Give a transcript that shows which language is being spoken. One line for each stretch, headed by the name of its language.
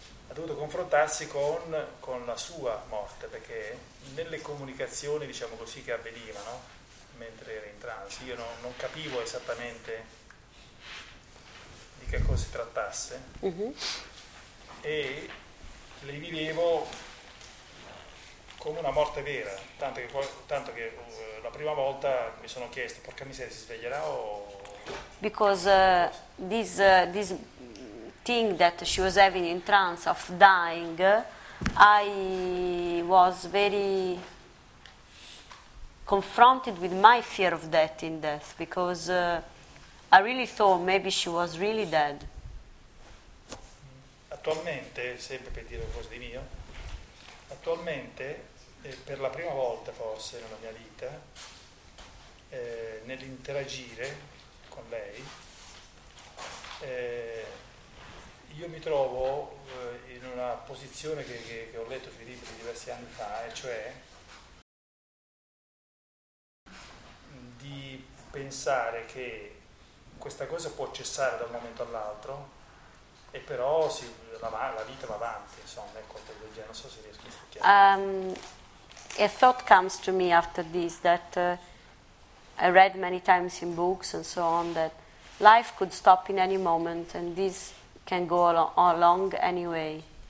Italian: Ha dovuto confrontarsi con la sua morte, perché nelle comunicazioni, diciamo così, che avvenivano mentre era in transe, io non capivo esattamente di che cosa si trattasse. E le vivevo come una morte vera, tanto che la prima volta mi sono chiesto, porca miseria, si sveglierà o...
English: Because this thing that she was having in trance of dying, I was very confronted with my fear of death in death, because I really thought maybe she was really dead.
Italian: Attualmente, sempre per dire qualcosa di mio, attualmente, per la prima volta forse nella mia vita, nell'interagire con lei, io mi trovo in una posizione che ho letto sui libri diversi anni fa, e cioè di pensare che questa cosa può cessare da un momento all'altro, e però la vita va avanti, insomma, ecco, del genere. Non so se riesco a spiegare.
English: A thought comes to me after this that I read many times in books and so on, that life could stop in any moment, and this can go along anyway.